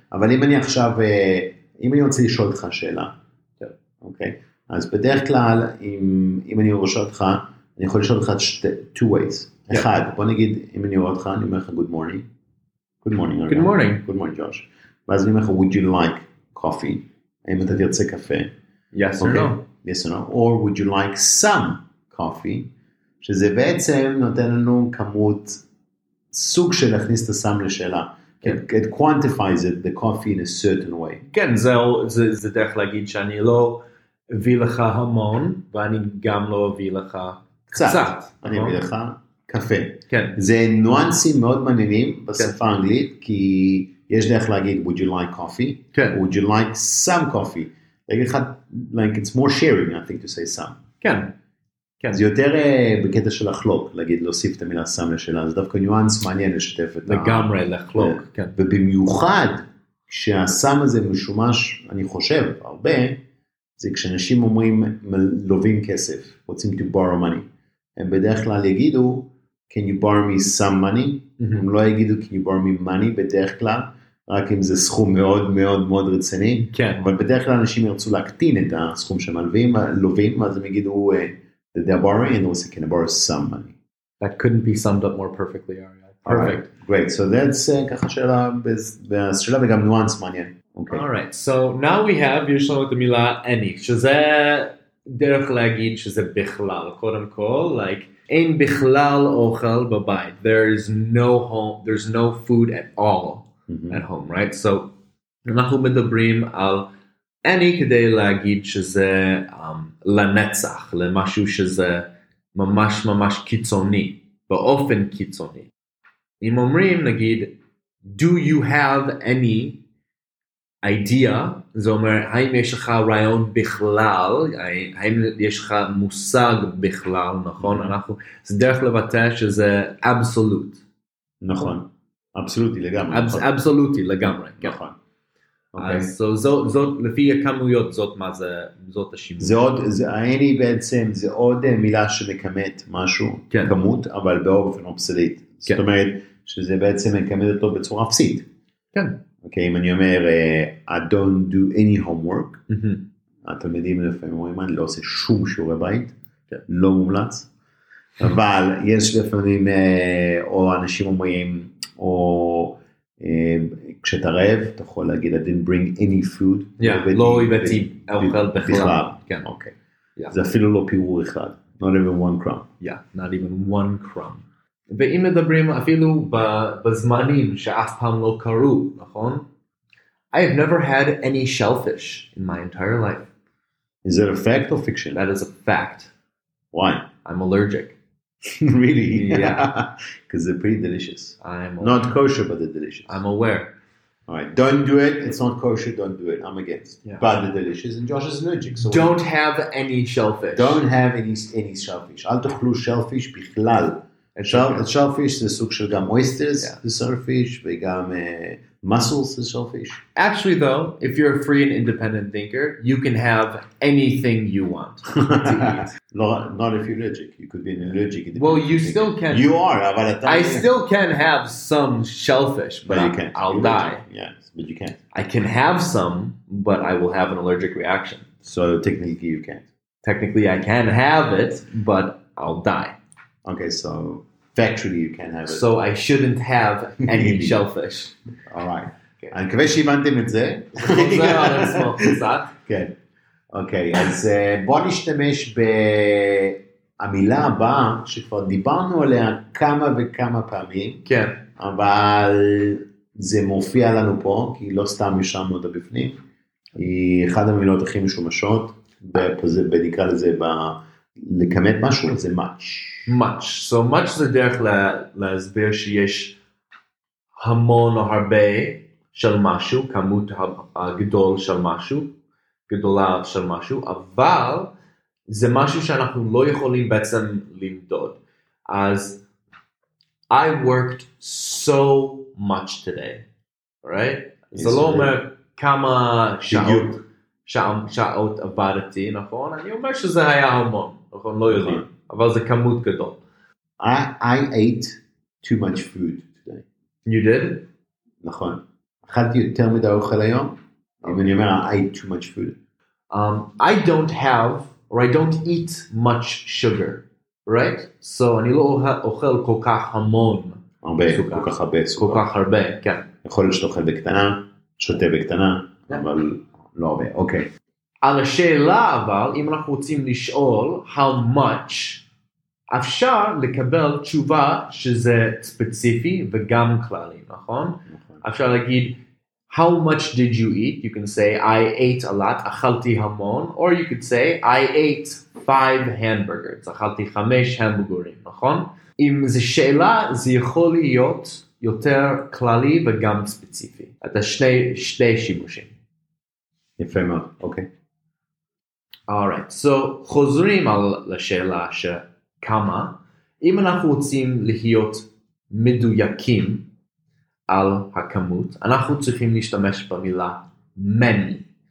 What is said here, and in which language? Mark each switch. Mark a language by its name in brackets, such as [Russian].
[Hebrew] אבל אם אני עכשיו, אם אני רוצה לשאול אותך שאלה, אוקיי? אז בדרך כלל, אם אני רוצה אותך, אני יכול לשאול אותך [English] two ways. [Hebrew] אחד, בוא נגיד, אם אני רואה אותך, אני אומר לך, [English] good morning. Good morning. Good morning. Good morning, Josh. [Hebrew] ואז אני אומר לך, [English] would you like coffee? [Hebrew] האם אתה תרצה קפה? [English] Yes or no. Yes or no. Or would you like some coffee? [Hebrew] שזה בעצם נותן לנו כמות סוג של להכניס את הסם לשאלה. כן. [English] It quantifies it, the coffee in a certain way. [Hebrew] כן, זה דרך להגיד שאני לא אביא לך המון, ואני גם לא אביא לך קצת. אני אביא לך קפה. כן. זה נואנסים מאוד מעניינים בשפה האנגלית, כי יש דרך להגיד, [English] would you like coffee? [Hebrew] כן. [English] Would you like some coffee? Like it's more sharing, I think, to say some. [Hebrew] כן. כן. זה יותר בקטע של החלוק, להגיד, להוסיף את המילה סם לשאלה, זה דווקא ניואנס מעניין לשתף את לגמרי, לחלוק, כן. ובמיוחד, כשהסם הזה משומש, אני חושב, הרבה, זה כשאנשים אומרים, לובים כסף, רוצים [English] to borrow money, [Hebrew] הם בדרך כלל יגידו, [English] can you borrow me some money? Mm-hmm. [Hebrew] הם לא יגידו, [English] can you borrow me money? [Hebrew] בדרך כלל, רק אם זה סכום מאוד מאוד מאוד רציני, כן. אבל בדרך כלל אנשים ירצו להקטין את הסכום שהם לובים, אז הם יגידו, [English] that they're borrowing and also can borrow some money. That couldn't be summed up more perfectly, Arya. Perfect. Right. Great. So that's [Hebrew] ככה שאלה, שאלה וגם nuance מעניין. [English] Okay. All right. So now we have, [Hebrew] יש לנו את המילה any, שזה דרך להגיד שזה בכלל, קודם כל, like, אין בכלל אוכל בבית. [English] There is no home, there's no food at all at home, right? [Hebrew] So אנחנו מדברים על אני כדי להגיד שזה לנצח, למשהו שזה ממש ממש קיצוני, באופן קיצוני. אם אומרים, נגיד, [English] do you have any idea? [Hebrew] זה אומר, האם יש לך רעיון בכלל? האם יש לך מושג בכלל, נכון? אנחנו, זה דרך לבטא שזה אבסולוט. נכון. אבסולוטי לגמרי. אבסולוטי לגמרי. נכון. אז זאת, לפי הכמויות, זאת מה זה, זאת השימוש. זה עוד, העני בעצם, זה עוד מילה שמקמת משהו, כמות, אבל באופן אבסולוטי. זאת אומרת, שזה בעצם מקמת אותו בצורה אפסית. כן. אוקיי, אם אני אומר, [English] I don't do any homework, [Hebrew] התלמידים לפעמים אומרים, אני לא עושה שום שיעורי בית, לא מומלץ, אבל יש לפעמים, או אנשים אומרים, או כשאתה רעב, אתה יכול להגיד, [English] I didn't bring any food. [Hebrew] לא הבאתי אוכל בכלל. כן, אוקיי. זה אפילו לא פירור אחד. [English] Not even one crumb. Yeah, not even one crumb. [Hebrew] ואם מדברים אפילו בזמנים שאף פעם לא קרו, נכון? [English] I have never had any shellfish in my entire life. Is that a fact or fiction? That is a fact. Why? I'm allergic. Really? Yeah. Because they're pretty delicious. I'm aware. Not kosher, but they're delicious. I'm aware. All right. Don't do it. It's not kosher. Don't do it. I'm against. Yeah. But they're delicious. And Josh is allergic. So don't have any shellfish. Don't have any shellfish. [Hebrew] אל תאכלו shellfish בכלל. Shellfish זה סוג של גם oysters, זה shellfish, וגם mussels, זה shellfish. [English] Actually, though, if you're a free and independent thinker, you can have anything you want to eat. No, not if you're allergic. You could be an allergic. Well, you still can. You are, but at that time. I still can have some shellfish, but you can't. I'll die. Yes, but you can't. I can have some, but I will have an allergic reaction. So technically, you can't. Technically, I can have it, but I'll die. Okay, so factually you can have it. So I shouldn't have any shellfish. All right. Okay. [Hebrew] אני מקווה שהבנתם את זה. זה היה על עצמו, קצת. כן. אוקיי, אז בוא נשתמש במילה הבאה, שכבר דיברנו עליה כמה וכמה פעמים. כן. אבל זה מופיע לנו פה, כי לא סתם ישמנו אותה בפנים. היא אחת המילות הכי משומשות, ונקרא לזה ב... לכמת משהו, זה much. [English] Much. [Hebrew] So much זה דרך להסביר שיש המון או הרבה של משהו, כמות הגדול של משהו, גדולה של משהו, אבל זה משהו שאנחנו לא יכולים בעצם למדוד. אז [English] I worked so much today, right? [Hebrew] זה לא אומר כמה שעות. שעות עבדתי, נכון? אני אומר שזה היה המון, נכון? לא יודעים, אבל זה כמות גדול. [English] I ate too much food today. You did? [Hebrew] נכון. אכלתי יותר מדי אוכל היום, אבל אני אומר, [English] I ate too much food. I don't have, or I don't eat much sugar, right? [Hebrew] So אני לא אוכל כל כך המון. הרבה, כל כך הרבה סוכר. כל כך הרבה, כן. יכול להיות שאתה אוכל בקטנה, שותה בקטנה, אבל... לא הרבה, אוקיי. על השאלה אבל, אם אנחנו רוצים לשאול [English] how much, [Hebrew] אפשר לקבל תשובה שזה ספציפי וגם כללי, נכון? אפשר להגיד, [English] how much did you eat? You can say, I ate a lot, [Hebrew] אכלתי המון, [English] or you could say, I ate 5 hamburgers, [Hebrew] אכלתי 5 המבורגרים, נכון? אם זו שאלה, זה יכול להיות יותר כללי וגם ספציפי. אתה שני שימושים. יפה מאוד, אוקיי. [English] Alright, so [Hebrew] חוזרים על השאלה שכמה. אם אנחנו רוצים להיות מדויקים על הכמות, אנחנו צריכים להשתמש במילה many.